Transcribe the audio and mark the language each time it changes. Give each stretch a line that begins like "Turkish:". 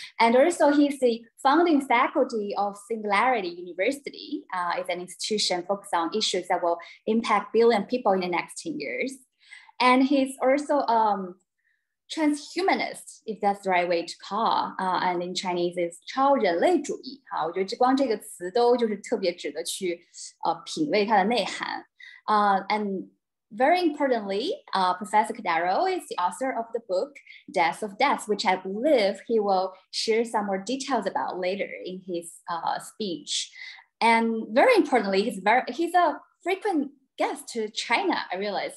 English: And also he's the founding faculty of Singularity University. It's an institution focused on issues that will impact billion people in the next 10 years. And he's also transhumanist, if that's the right way to call. And in Chinese, it's 超人类主义.
Chinese: 好，我觉得光这个词都就是特别值得去品味它的内涵.
English: And very importantly, Professor Cordeiro is the author of the book Death of Death, which I believe he will share some more details about later in his speech. And very importantly, he's a frequent guest to China, I realize.